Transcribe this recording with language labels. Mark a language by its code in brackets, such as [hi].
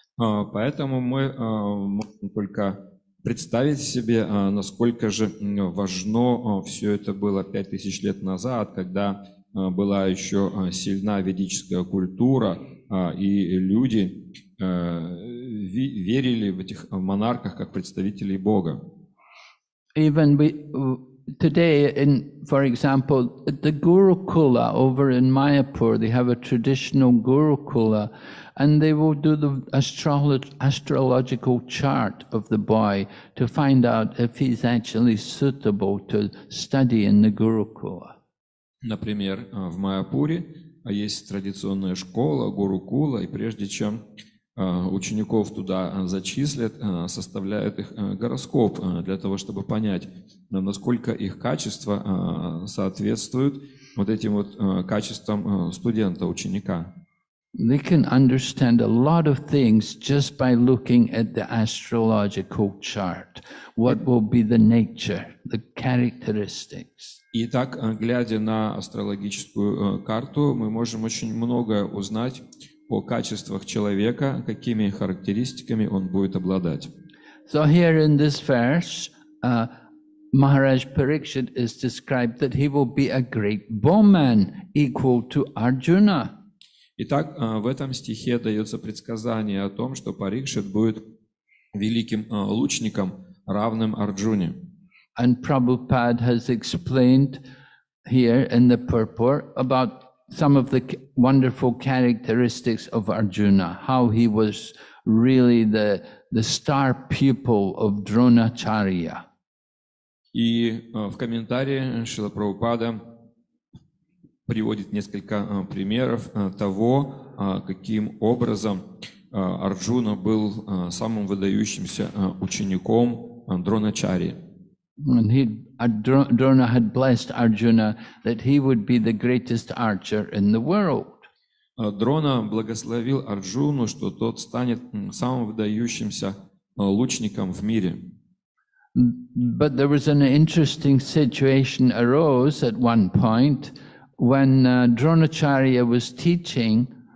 [ru] Поэтому мы можем только представить себе, насколько же важно все это было 5,000 лет назад, когда была еще сильна ведическая культура, и люди верили в этих монархах как представителей Бога. [en] Even today, in, for example, the Gurukula over in Mayapur, they have a traditional Gurukula, and they will do the astrological chart of the boy to find out if he's actually suitable to study in the Gurukula. [ru] Например, в Майяпуре есть традиционная школа, Гурукула, и прежде чем учеников туда зачислят, составляют их гороскоп для того, чтобы понять, насколько их качества соответствуют вот этим вот качествам студента, ученика. [en] They can understand a lot of things just by looking at the astrological chart. What will be the nature, the characteristics? [ru] Итак, глядя на астрологическую карту, мы можем очень многое узнать о качествах человека, какими характеристиками он будет обладать. [en] So here in this verse, Maharaj Parikshit is described that he will be a great bowman equal to Arjuna. [ru] Итак, в этом стихе дается предсказание о том, что Парикшит будет великим лучником, равным Арджуне. [en] And Prabhupada has explained here in the purport about some of the wonderful characteristics of Arjuna, how he was really the star pupil of Dronacharya. [ru] И в комментарии Шрила Прабхупада приводит несколько примеров того, каким образом Арджуна был самым выдающимся учеником Дроначарьи. [en] And Drona had blessed Arjuna that he would be the greatest archer in the world. [ru] Дрона благословил Арджуну, что тот станет самым выдающимся лучником в мире. [en] But there was an interesting situation arose at one point when Dronacharya was teaching.